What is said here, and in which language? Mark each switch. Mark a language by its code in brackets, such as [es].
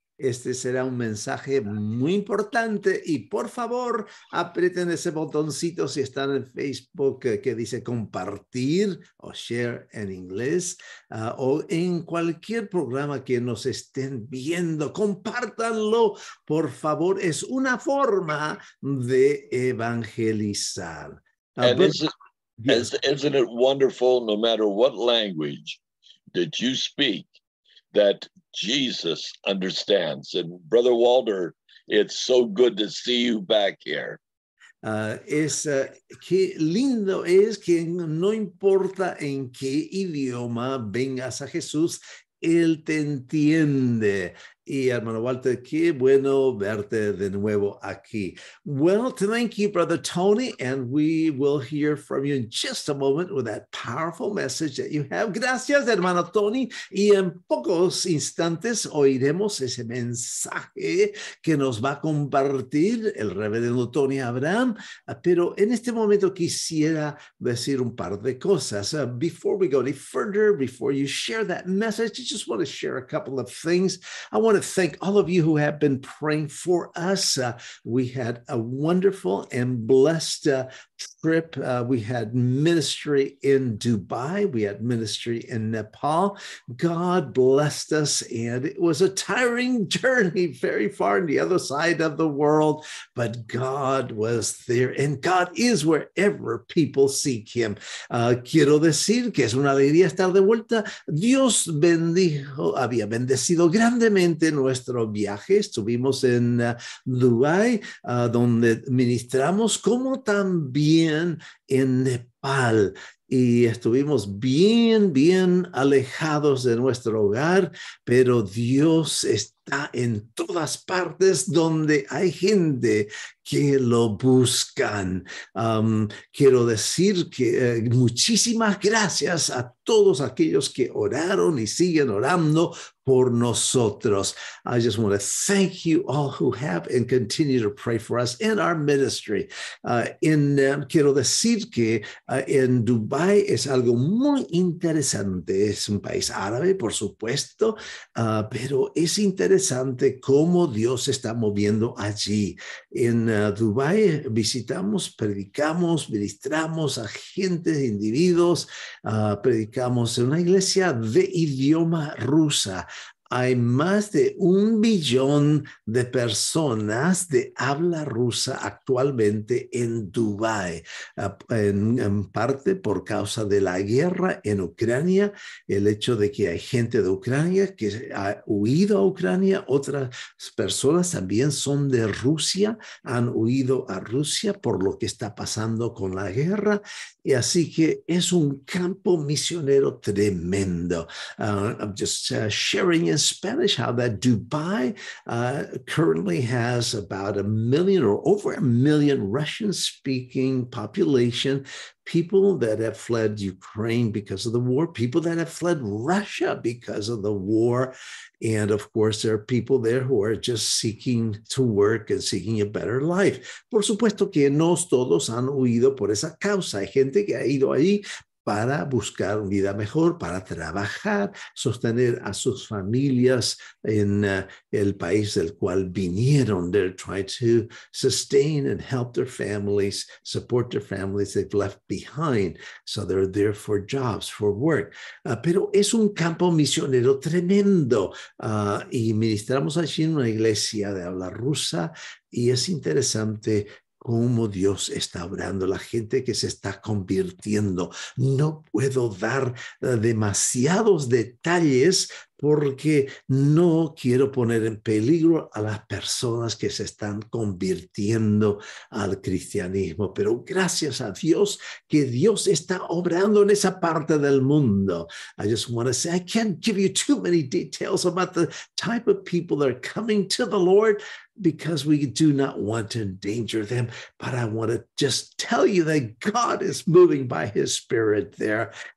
[es] Este será un mensaje muy importante y por favor aprieten ese botoncito si están en Facebook que dice compartir o share en inglés o en cualquier programa que nos estén viendo, compártanlo, por favor, es una forma de evangelizar. [en] Isn't it wonderful, no matter what language that you speak, that Jesus understands. And Brother Walter, it's so good to see you back here. [es] Qué lindo es que no importa en qué idioma vengas a Jesús, Él te entiende. Y hermano Walter, qué bueno verte de nuevo aquí. [en] Well, thank you, Brother Tony, and we will hear from you in just a moment with that powerful message that you have. [es] Gracias, hermano Tony. Y en pocos instantes oiremos ese mensaje que nos va a compartir el reverendo Tony Abram. Pero en este momento quisiera decir un par de cosas. [en] Before we go any further, before you share that message, I just want to share a couple of things. I want to thank all of you who have been praying for us. We had a wonderful and blessed trip. We had ministry in Dubai. We had ministry in Nepal. God blessed us, and it was a tiring journey very far on the other side of the world, but God was there, and God is wherever people seek him. [es] Quiero decir que es una alegría estar de vuelta. Dios bendijo, había bendecido grandemente de nuestro viaje. Estuvimos en Dubái, donde ministramos, como también en Nepal. Y estuvimos bien, bien alejados de nuestro hogar, pero Dios está en todas partes donde hay gente que lo buscan. Quiero decir que muchísimas gracias a todos aquellos que oraron y siguen orando por nosotros. [en] I just want to thank you all who have and continue to pray for us in our ministry. [es] Quiero decir que en Dubái es algo muy interesante. Es un país árabe, por supuesto, pero es interesante cómo Dios está moviendo allí. En Dubái visitamos, predicamos, ministramos a gente, individuos, predicamos en una iglesia de idioma rusa. Hay más de 1 billón de personas de habla rusa actualmente en Dubái, en parte por causa de la guerra en Ucrania, el hecho de que hay gente de Ucrania que ha huido a Ucrania, otras personas también son de Rusia, han huido a Rusia por lo que está pasando con la guerra, y así que es un campo misionero tremendo. [en] I'm just sharing it. Spanish, how that Dubai currently has about 1 million or over 1 million Russian speaking population, people that have fled Ukraine because of the war, people that have fled Russia because of the war. And of course, there are people there who are just seeking to work and seeking a better life. [es] Por supuesto que no todos han huido por esa causa. Hay gente que ha ido ahí para buscar una vida mejor, para trabajar, sostener a sus familias en el país del cual vinieron. [en] They're trying to sustain and help their families, support their families they've left behind. So they're there for jobs, for work. [es] Pero es un campo misionero tremendo. Y ministramos allí en una iglesia de habla rusa. Y es interesante cómo Dios está obrando, la gente que se está convirtiendo. No puedo dar demasiados detalles porque no quiero poner en peligro a las personas que se están convirtiendo al cristianismo. Pero gracias a Dios que Dios está obrando en esa parte del mundo. [en] I just want to say, I can't give you too many details about the type of people that are coming to the Lord because we do not want to endanger them. But I want to just tell you that God is moving by His Spirit there.